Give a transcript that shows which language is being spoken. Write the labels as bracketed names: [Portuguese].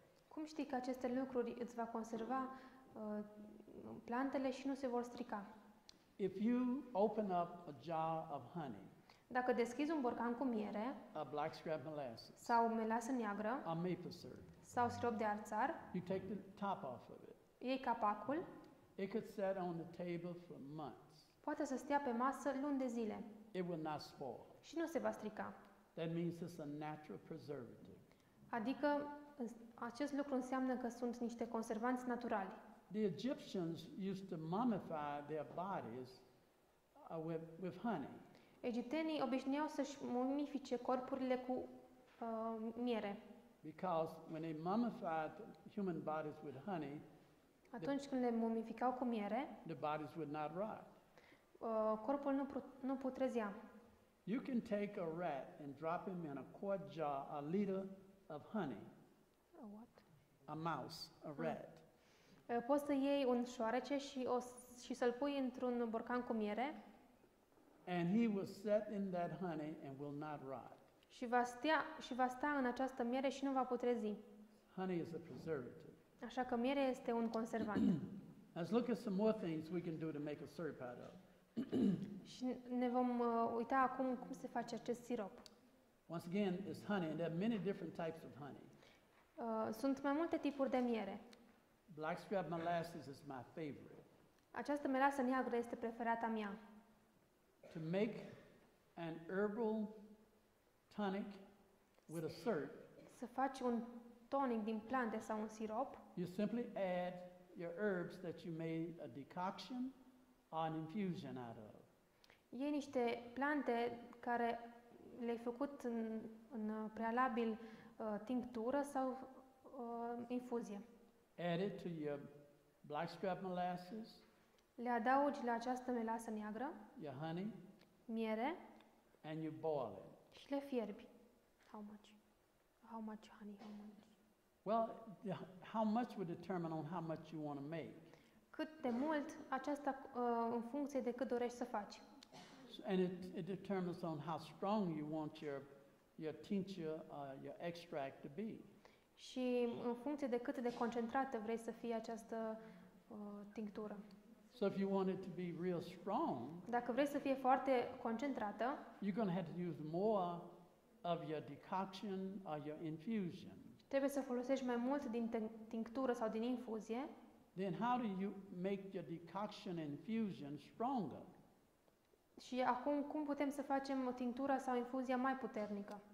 [Romanian] Cum știi că aceste lucruri îți va conserva plantele și nu se vor strica? [English] If you open up a jar of honey, [Romanian] dacă deschizi un borcan cu miere, [English] a blackstrap molasses, [Romanian] sau melasă neagră, [English] a maple syrup, [Romanian] sau sirop de arțar, [English] you take the top off of it. [Romanian] Iei capacul. [English] It could sit on the table for months. [Romanian] Poate să stea pe masă luni de zile. [English] It will not spoil. [Romanian] Și nu se va strica. [English] That means it's a natural preservative. [Romanian] Adică acest lucru înseamnă că sunt niște conservanți naturali. [English] The Egyptians used to mummify their bodies with honey. [Romanian] Egiptenii obișnuiau să-și mumifice corpurile cu miere. [English] Because when they mummified human bodies with honey, [Romanian] atunci când le mumificau cu miere, [English] the bodies would not rot. [Romanian] Corpul nu putrezea. [English] You can take a rat and drop him in a quart jar, a liter of honey. A what? A mouse, a rat. [Romanian] Poți să iei un șoarece și să-l pui într-un borcan cu miere. [English] And he will sit in that honey and will not rot. [Romanian] Și va sta în această miere și nu va putrezi. [English] Honey is a preservative. [Romanian] Așa că mierea este un conservant. [English] Let's look at some more things we can do to make a syrup out of. [Romanian] Și ne vom uita acum cum se face acest sirop. [English] Once again, it's honey, and there are many different types of honey. [Romanian] Sunt mai multe tipuri de miere. [English] Blackstrap molasses is my favorite. [Romanian] Această melasă neagră este preferata mea. [English] To make an herbal tonic with a syrup. [Romanian] Să faci un tonic din plante sau un sirop. [English] You simply add your herbs that you made a decoction or an infusion out of. [Romanian] Iei niște plante care le-ai făcut în prealabil tinctură sau infuzie. [English] Add it to your blackstrap molasses. [Romanian] Le adaugi la această melasă neagră. [English] Your honey. [Romanian] Miere. [English] And you boil it. [Romanian] Și le fierbi. [English] How much honey? How much? Well, how much would determine on how much you want to make. [Romanian] Cât de mult, aceasta în funcție de cât dorești să faci. [English] And it determines on how strong you want your tincture, your extract to be. [Romanian] Și în funcție de cât de concentrată vrei să fie această tinctură. [English] So if you want it to be real strong, [Romanian] dacă vrei să fie foarte concentrată, [English] you're going to have to use more of your decoction or your infusion. [Romanian] Trebuie să folosești mai mult din tinctură sau din infuzie. [English] Then how do you make your decoction infusion stronger? [Romanian] Și acum cum putem să facem tinctura sau infuzia mai puternică?